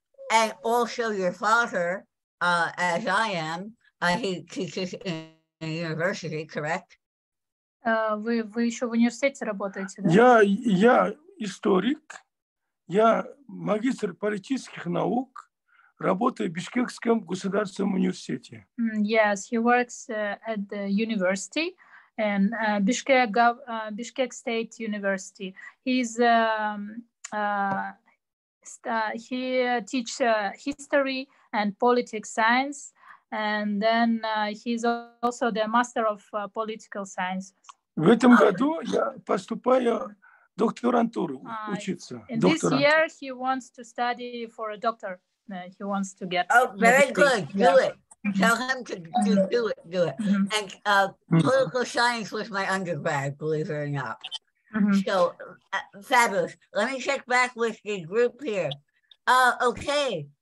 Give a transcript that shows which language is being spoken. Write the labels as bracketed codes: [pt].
[en] And also your father, as I am, he teaches in university, correct? [ru] Вы еще в университете работаете, да? Я историк, я магистр политических наук, работает в Бишкекском государственном университете. [en] Yes, he works at the university in Bishkek State University. He's he teaches history and political science, and then he's also the master of political science. [ru] В этом году я поступаю докторантуру учиться. [en] In this year, he wants to study for a doctor. He wants to get... Oh, very good. Do it. Tell him to do it. Mm-hmm. And political science was my undergrad, believe it or not. Mm-hmm. So, fabulous. Let me check back with the group here. Okay.